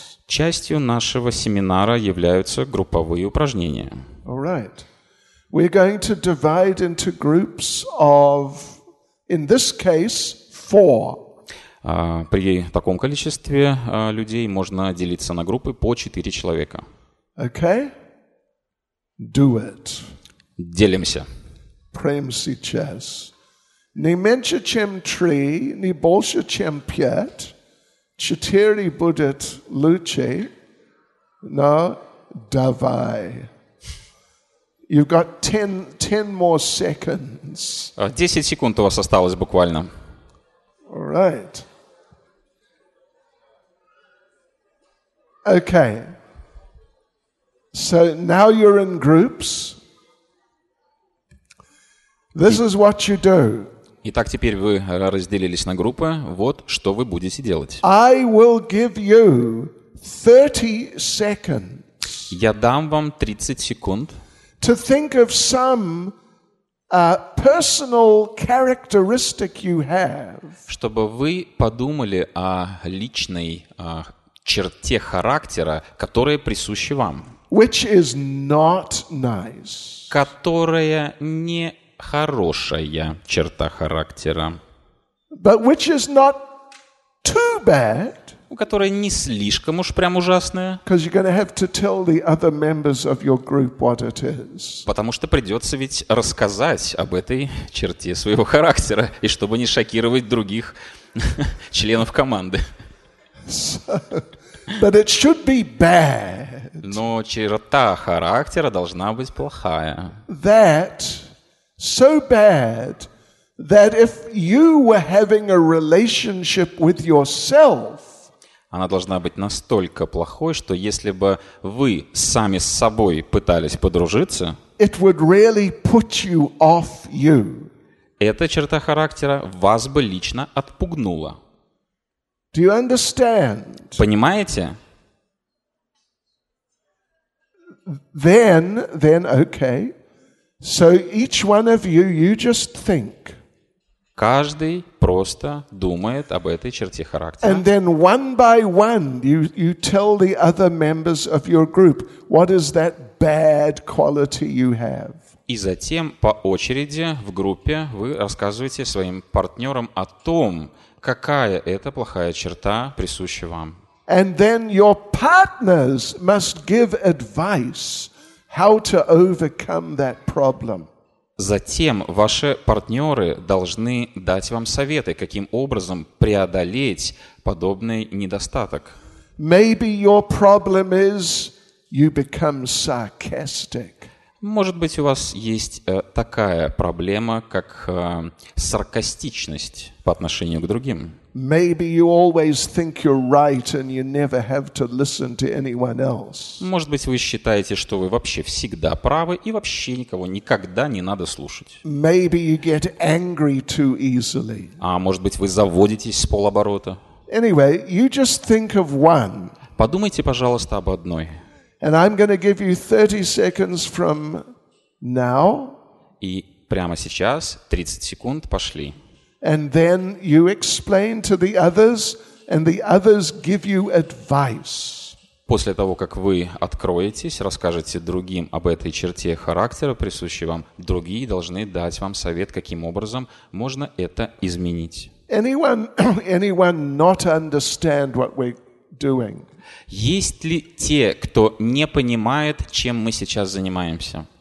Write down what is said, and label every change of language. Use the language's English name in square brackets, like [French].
[Russian] Частью нашего семинара являются групповые упражнения. [English] All right. We're going to divide into groups of, in this case, 4. [Russian] При таком количестве людей можно делиться на группы по 4 человека. [English] Okay? Do it. [Russian] Делимся. Прям сейчас. Не меньше, чем 3, не больше, чем 5. 4 будет лучше. Но давай. [English] You've got 10 more seconds. [Russian] 10 секунд у вас осталось буквально. [English] All right. Okay. So now you're in groups. This is what you do. [Russian] Итак, теперь вы разделились на группы. Вот что вы будете делать. [English] I will give you 30 seconds. [Russian] Я дам вам 30 секунд. [English] To think of some personal characteristic you have. [Russian] Чтобы вы подумали о личной черте характера, которая присуща вам. [English] Which is not nice. [Russian] Которая не хорошая черта характера. [English] But which is not too bad. [Russian] Которая не слишком уж прям ужасная. Потому что придется ведь рассказать об этой черте своего характера, и чтобы не шокировать других членов команды. [English] But it should be bad. [Russian] Но черта характера должна быть плохая. [English] That so bad That if you were having a relationship with yourself, [Russian] она должна быть настолько плохой, что если бы вы сами с собой пытались подружиться, [English] it would really put you off you. [Russian] Эта черта характера вас бы лично отпугнула. [English] Do you understand? [Russian] Понимаете? [English] Then okay. So each one of you, you just think. [Russian] Каждый просто думает об этой черте характера. [English] And then one by one you tell the other members of your group what is that bad quality you have. [Russian] И затем по очереди в группе вы рассказываете своим партнерам о том, какая это плохая черта присуща вам. [English] And then your partners must give advice how to overcome that problem. [Russian] Затем ваши партнеры должны дать вам советы, каким образом преодолеть подобный недостаток. [English] Maybe your problem is you become sarcastic. [Russian] Может быть, у вас есть такая проблема, как саркастичность по отношению к другим. [English] Maybe you always think you're right and you never have to listen to anyone else. [Russian] Может быть, вы считаете, что вы вообще всегда правы и вообще никого никогда не надо слушать. [English] Maybe you get angry too easily. [Russian] А может быть, вы заводитесь с полоборота. [English] Anyway, you just think of one. [Russian] Подумайте, пожалуйста, об одной. [English] And I'm going to give you 30 seconds from now. [Russian] И прямо сейчас 30 секунд пошли. [English] And then you explain to the others, and the others give you advice. [Russian] После того, как вы откроетесь, расскажете другим об этой черте характера, присущей вам, другие должны дать вам совет, каким образом можно это изменить. [English] Anyone not understand what we're doing? [Russian] Есть ли те, кто не понимает, чем мы сейчас занимаемся?